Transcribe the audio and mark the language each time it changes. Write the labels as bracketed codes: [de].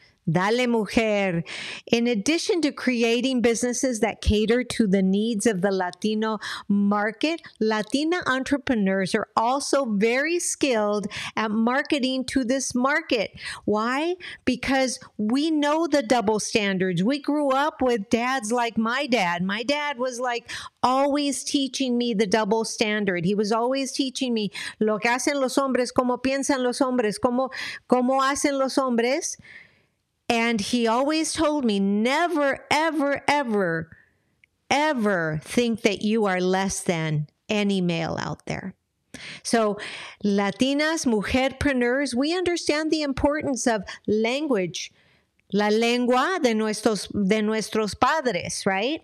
[es] Dale, mujer. [en] In addition to creating businesses that cater to the needs of the Latino market, Latina entrepreneurs are also very skilled at marketing to this market. Why? Because we know the double standards. We grew up with dads like my dad. My dad was like always teaching me the double standard. He was always teaching me [es] lo que hacen los hombres, cómo piensan los hombres, cómo hacen los hombres. [en] And he always told me, never, ever, ever, ever think that you are less than any male out there. So Latinas, mujerpreneurs, we understand the importance of language, [es] la lengua de nuestros padres, [en] right?